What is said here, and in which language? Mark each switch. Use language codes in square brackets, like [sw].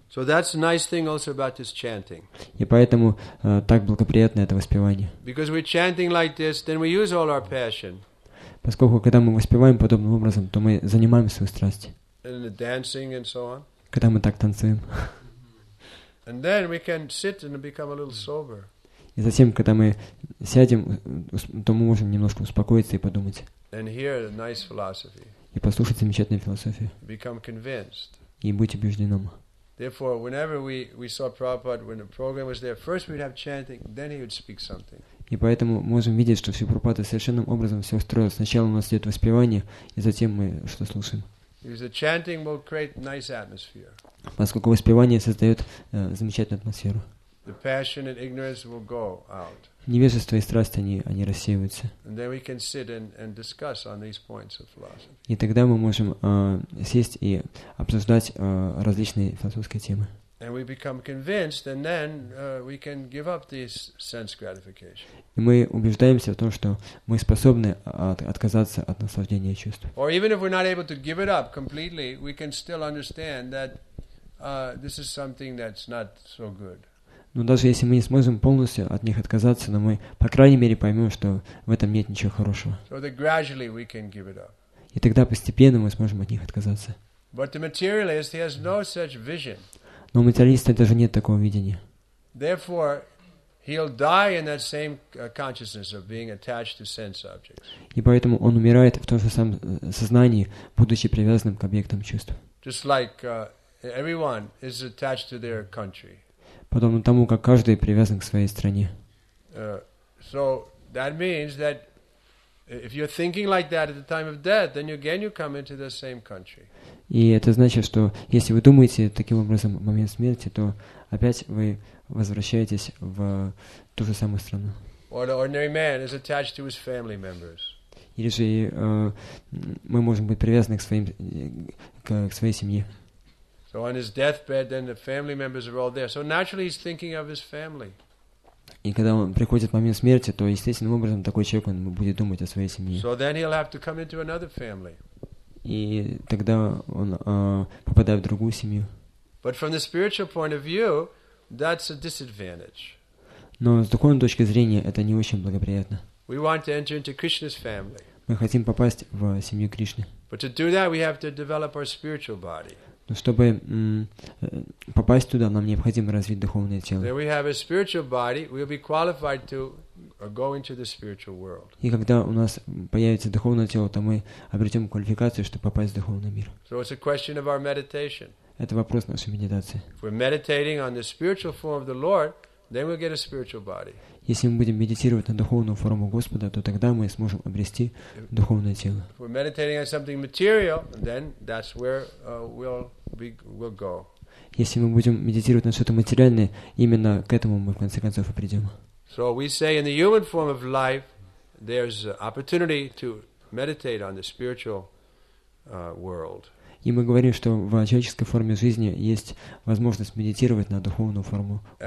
[en] So that's a nice thing also about this chanting. [ru] И поэтому так благоприятно это воспевание. [en] Because we're chanting like this, then we use all our passion. [ru] Поскольку когда мы воспеваем подобным образом, то мы занимаем свою страсть. [en] And the dancing and so on. [ru] Когда мы так танцуем. [en] And then we can sit and become a little sober. [ru] И затем, когда мы сядем, то мы можем немножко успокоиться и подумать. [en] And hear a nice philosophy. [ru] И послушать замечательную философию. [en] Become convinced. [ru] И быть убежденным. [en] Therefore, whenever we saw Prabhupada, when the program was there, first we'd have chanting, then he would speak something. [ru] И поэтому мы можем видеть, что все Прабхупада совершенным образом все устроил. Сначала у нас идет воспевание, и затем мы что слушаем. [en] The chanting will create nice atmosphere. [ru] Поскольку воспевание создает замечательную атмосферу. [en] The passion and ignorance will go out. [ru] Невежество и страсть они рассеиваются. [en] And then we can sit and discuss on these points of philosophy. [ru] И тогда мы можем сесть и обсуждать различные философские темы. [en] And we become convinced, and then we can give up this sense gratification. [ru] И мы убеждаемся в том, что мы способны отказаться от наслаждения чувств. [en] Or even if we're not able to give it up completely, we can still understand that this is something that's not so good. [ru] Но даже если мы не сможем полностью от них отказаться, но мы, по крайней мере, поймем, что в этом нет ничего хорошего. [en] So that gradually we can give it up. [ru] И тогда постепенно мы сможем от них отказаться. [en] But the materialist, he has no such vision. [ru] Но у материалиста даже нет такого видения. [en] Therefore, he'll die in that same consciousness of being attached to sense objects. [ru] И поэтому он умирает в том же самом сознании, будучи привязанным к объектам чувств. [en] Just like everyone is attached to their country. [ru] Подобно тому, как каждый привязан к своей стране. [en] So that means that if you're thinking like that at the time of death, then again you come into the same country. [ru] И это значит, что если вы думаете таким образом в момент смерти, то опять вы возвращаетесь в ту же самую страну. [en] Or an ordinary man is attached to his family members. [ru] или же мы можем быть привязаны к своим, к своей семье. [en] So on his deathbed, then the family members are all there. So naturally, he's thinking of his family. [ru] И когда он приходит в момент смерти, то естественным образом такой человек он будет думать о своей семье. [en] So then he'll have to come into another family. [ru] И тогда он попадает в другую семью. [en] But from the spiritual point of view, that's a disadvantage. [ru] Но с духовной точки зрения это не очень благоприятно. [en] We want to enter into Krishna's family. [ru] Мы хотим попасть в семью Кришны. [en] But to do that, we have to develop our spiritual body. [ru] Но чтобы попасть туда, нам необходимо развить духовное тело. [en] Then we have a spiritual body, we'll be qualified to go into the spiritual world. [ru] И когда у нас появится духовное тело, то мы обретем квалификацию, чтобы попасть в духовный мир. [en] So it's a question of our meditation. [ru] Это вопрос нашей медитации. [en] If we're meditating on the spiritual form of the Lord, then we'll get a spiritual body. [ru] Если мы будем медитировать на духовную форму Господа, то тогда мы сможем обрести духовное тело. [en] If we're meditating on something material, then that's where we'll go. [ru] Если мы будем медитировать на что-то материальное, именно к этому мы в конце концов и придем. [en] So we say in the human form of life, there's opportunity to meditate on the spiritual world. [ru] И мы говорим, что в человеческой форме жизни есть возможность медитировать на духовную форму